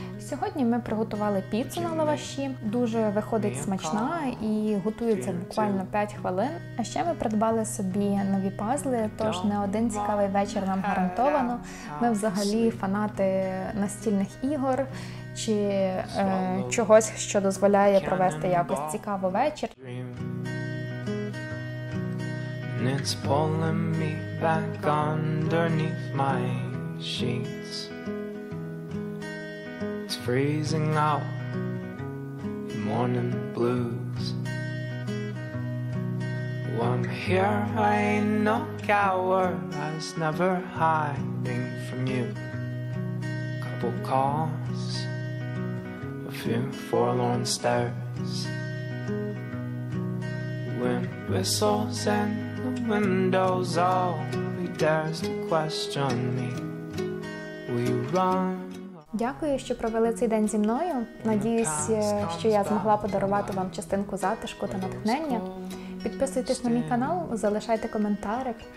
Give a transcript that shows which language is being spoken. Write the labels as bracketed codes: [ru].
[uk] Сьогодні ми приготували піцу на лаваші. Дуже виходить смачна і готується буквально 5 хвилин. А ще ми придбали собі нові пазли, тож не один цікавий вечір нам гарантовано. Ми взагалі фанати настільних ігор чи чогось, що дозволяє провести якось цікавий вечір. [en] And it's pulling me back underneath my sheets. It's freezing out in morning blues. Well, I'm here, I ain't no coward. I was never hiding from you. Couple calls, a few forlorn stares. Wind whistles and windows, all he dares to question me. We run. [uk] Дякую, що провели цей день зі мною. Надіюсь, що я змогла подарувати вам частинку затишку та натхнення. Підписуйтесь на мій канал, залишайте коментарик.